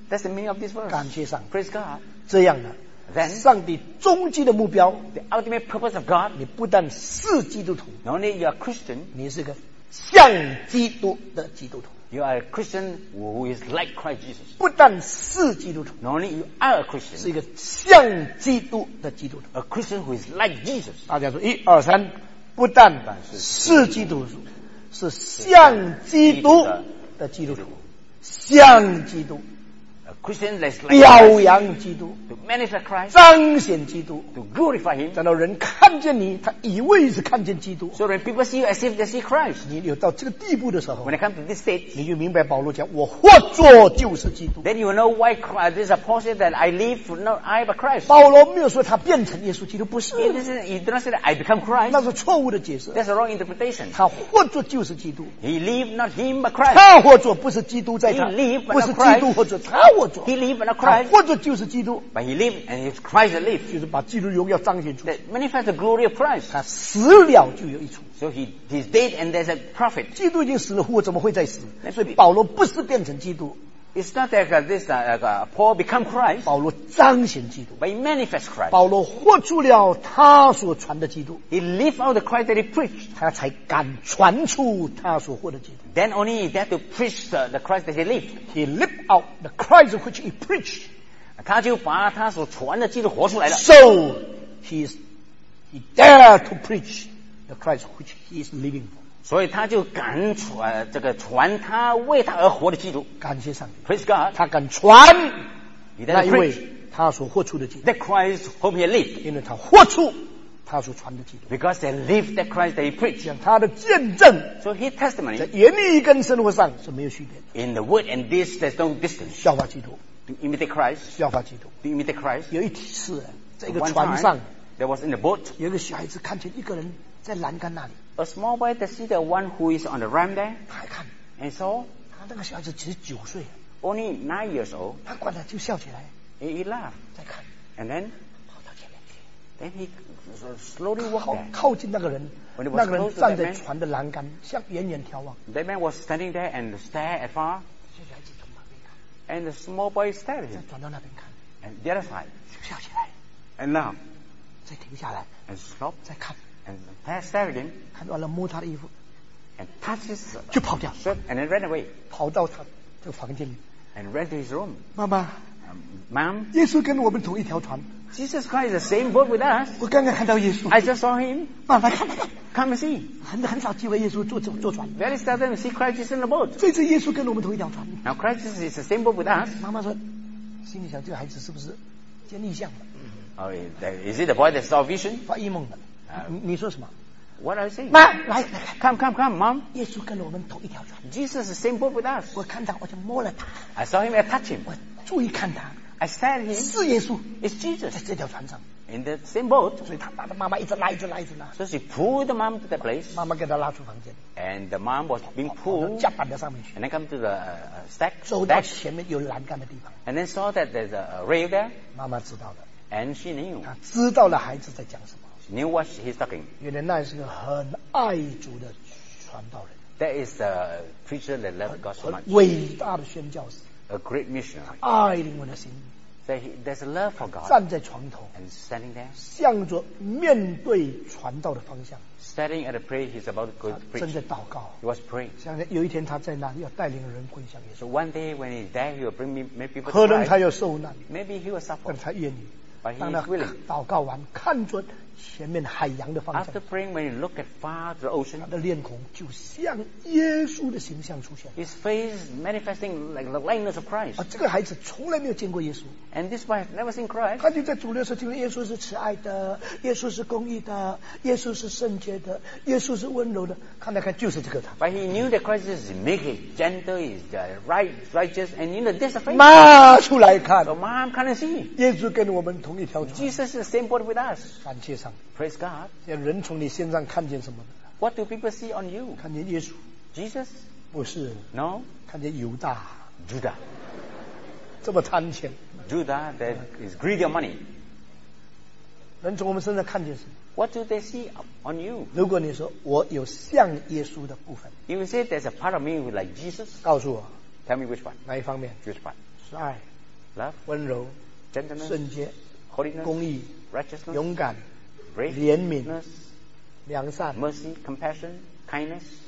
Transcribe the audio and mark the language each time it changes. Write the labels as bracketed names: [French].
[English] That's the meaning of this verse. [Chinese] 感谢上帝。 [English] Praise God. [Chinese] 这样呢， [English] Then, [Chinese] 上帝终极的目标 [English] the ultimate purpose of God, [Chinese] 你不但是基督徒 [English] not only you are Christian, [Chinese] 你是个像基督的基督徒 [English] you are a Christian who is like Christ Jesus, [Chinese] 不但是基督徒 [English] not only you are a Christian, [Chinese] 是一个像基督的基督徒 [English] a Christian who is like Jesus, [Chinese] 大家说一二三不但是基督徒是像基督的基督徒像基督表扬基督 [English] to manifest Christ, [Chinese] 彰显基督 [English] to glorify him, [Chinese] 然后人看见你他以为是看见基督 [English] so when people see you as if they see Christ, [Chinese] 你有到这个地步的时候 [English] when I come to this state, [Chinese] 你就明白保罗讲我或作就是基督 [English] then you know why Christ, this apostle that I live for not I but Christ [Chinese] 保罗没有说他变成耶稣基督不是 [English] he did not say that I become Christ [Chinese] 那是错误的解释 [English] that's a wrong interpretation [Chinese] 他或作就是基督 [English] he live not him but Christ [Chinese] 他或作不是基督在他 [English] he live but Christ [Chinese] 不是基督或作他或作 [English] He lived and Christ, [Chinese] 他活着就是基督 [English] but he lived and it's Christ that lived, [Chinese] 就是把基督荣耀彰显出 [English] that manifest the glory of Christ, [Chinese] 他死了就有益处 [English] so he's dead and there's a prophet, [Chinese] 基督已经死了活怎么会再死所以保罗不是变成基督 [English] it's not that this, like, Paul become Christ, [Chinese] 保罗彰显基督 [English] but he manifest Christ, [Chinese] 保罗活出了他所传的基督 [English] he lived out the Christ that he preached, [Chinese] 他才敢传出他所活的基督 [English] then only he dared to preach the Christ that he lived, he lived out the Christ which he preached, [Chinese] 他就把他所传的基督活出来了 [English] so he dared to preach the Christ which he is living for, [Chinese] 所以他就敢传这个传他为他而活的基督感谢上帝 [English] praise God, [Chinese] 他敢传那一位他所活出的基督 [English] the Christ whom he lived, [Chinese] 因为他活出他所传的基督 [English] because they live the Christ they preach, [Chinese] 他的见证 [English] so his testimony, [Chinese] 在言语跟生活上是没有区别的 [English] in the word and this there's no distance, [Chinese] 效法基督 [English] to imitate Christ, [Chinese] 效法基督 [English] to imitate Christ, [Chinese] 有一次在一个船上 [English] time, there was in the boat, [Chinese] 有一个小孩子看见一个人在栏杆那里 [English] a small boy that see the one who is on the ramp there, [Chinese] 他还看 [English] and so, [Chinese] 他那个小孩子只是九岁 [English] only 9 years old, [Chinese] 他管他就笑起来 [English] and he laughed, [Chinese] 再看 [English] and then, [Chinese] 跑到前面去 [English] then he,So slowly walk [Chinese] 靠近那个人 [English] when he was [Chinese] 那个人站在船的栏杆 [English] man, [Chinese] 向远远眺望 [English] that man was standing there and stare at far and the small boy stared at him [Chinese] 再转到那边看 [English] and the other side [Chinese] 笑起来 [English] and now [Chinese] 再停下来 [English] and stop [Chinese] 再看 [English] and stare again [Chinese] 看完了摸他的衣服 [English] and touch his [Chinese] 就跑掉 [English] shirt and then ran away [Chinese] 跑到他的房间里 [English] and ran to his room [Chinese] 妈妈 [English] Mom [Chinese] 耶稣跟我们同一条船 [English] Jesus Christ is the same boat with us. [Chinese] 我刚刚看到耶稣。 [English] I just saw him. [Chinese] 妈妈，看， [English] Come and see. [Chinese] 很少机会耶稣坐船。 [English] Very seldom see Christ is in the boat. [Chinese] 这次耶稣跟我们同一条船。 [English] Now Christ is the same boat with us. [Chinese] 妈妈说，心里想这个孩子是不是见异象了？ [English] Oh, is it the boy that saw vision? [Chinese] 发异梦了。你说什么？ [English] What are you saying? [Chinese] 妈，来 [English] come, mom. [Chinese] 耶稣跟我们同一条船。 [English] Jesus is the same boat with us. [Chinese] 我看到，我就摸了他。 [English] I saw him, I touched him. [Chinese] 我注意看他。 [English] I said him, [Chinese] 是耶稣 [English] It's Jesus [Chinese] 在这条船上 [English] In the same boat [Chinese] 所以他把他妈妈一直拉一直拉一直拉 [English] So she pulled the mom to the place [Chinese] 妈妈给他拉出房间 [English] And the mom was being pulled [Chinese] 甲板的上面去 [English] And then come to the stack [Chinese] 走到前面有栏杆的地方 [English] And then saw that there's a rail there [Chinese] 妈妈知道了 [English] And she knew [Chinese] 她知道了孩子在讲什么 [English] She knew what he's talking [Chinese] 原来那是个很爱主的传道人 [English] That is a preacher that loved God so much [Chinese] 很伟大的宣教士 [English] A great missionary. [Chinese] 爱灵魂的心 [English] There's a love for God. [Chinese] 站在床头 [English] And standing there. [Chinese] 向着面对传道的方向 [English] Standing at a prayer, he's about to preach. [Chinese] 正在祷告 [English] He was praying. [Chinese] 像有一天他在那里要带领人归向耶稣 [English] So one day when he's there, he will bring me people to Christ. [Chinese] 可能他要受难 [English] Maybe he will suffer. [Chinese] 但他愿意 [English] But he is willing. [Chinese] 祷告完看准前面海洋的方向 [English] After praying, when he looked at far to the ocean, [Chinese] 他的脸孔就像耶稣的形象出现 [English] His face manifesting like the likeness of Christ. [Chinese] 这个孩子从来没有见过耶稣 [English] And this boy has never seen Christ. [Chinese] 他就在主流时候听说耶稣是慈爱的，耶稣是公义的，耶稣是圣洁的，耶稣是温柔的。看来看就是这个他。 [English] But he knew that Christ is meek, gentle, is righteous, and you know this faith. [Chinese] 妈出来看 [English] So mom, come and see. [Chinese] 耶稣跟我们同一条船 [English] Jesus is the same boat with us. [Chinese] 感谢上。 [English] Praise God. [Chinese] 要人从你身上看见什么呢 [English] What do people see on you? [Chinese] 看见耶稣 [English] Jesus? [Chinese] 不是 [English] No? [Chinese] 看见犹大 [English] Judah [Chinese] 这么贪钱 [English] Judah that is greedy of money [Chinese] 人从我们身上看见什么 [English] What do they see on you? [Chinese] 如果你说我有像耶稣的部分 [English] You say there's a part of me who like Jesus [Chinese] 告诉我 [English] Tell me which part [Chinese] 哪一方面 [English] Which part [Chinese] 是爱 [English] Love [Chinese] 温柔 [English] Gentleness [Chinese] 圣洁 [English] holiness, [Chinese] 公义 [English] righteousness, [Chinese] 勇敢 [English] brave, [Chinese] 怜悯 [English] goodness, [Chinese] 良善 [English] mercy, compassion, kindness.